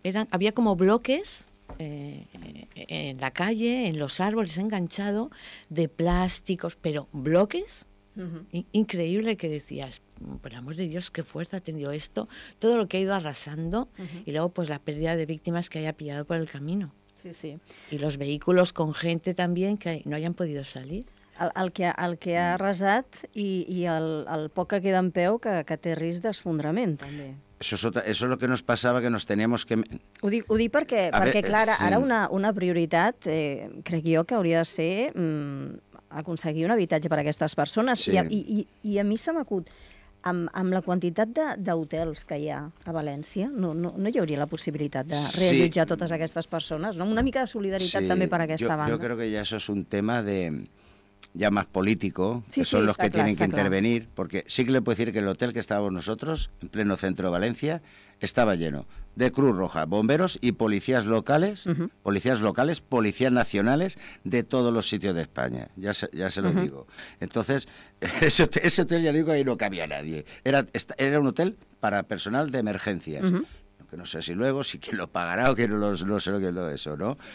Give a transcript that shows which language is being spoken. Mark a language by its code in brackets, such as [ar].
[es] Había como bloques... en la calle, en los árboles enganchado de plásticos, pero bloques, increíble, que decías, por el amor de Dios, qué fuerza ha tenido esto, todo lo que ha ido arrasando, y luego pues la pérdida de víctimas que haya pillado por el camino. Sí, sí. Y los vehículos con gente también que no hayan podido salir. [ca] El que ha arrasat i el poc que queda en peu que té risc d'esfondrament, també. [es] Eso es lo que nos pasaba, que nos teníamos que... [ca] Ho dic perquè clara, ara una prioritat, crec jo, que hauria de ser aconseguir un habitatge per a aquestes persones. Sí. I a mi se m'acut, amb la quantitat d'hotels que hi ha a València, no hi hauria la possibilitat de reallotjar totes aquestes persones, no? Una mica de solidaritat també per aquesta banda. Jo crec que ja això és un tema de... [es] ya más político, sí, que son sí, los que claro, tienen que claro. intervenir, porque sí que le puedo decir que el hotel que estábamos nosotros, en pleno centro de Valencia, estaba lleno de Cruz Roja, bomberos y policías locales, policías nacionales de todos los sitios de España, ya se lo digo. Entonces, ese hotel, ya digo, ahí no cabía nadie, era un hotel para personal de emergencias, no sé si luego, si quién lo pagará o quién no sé lo que es eso, ¿no?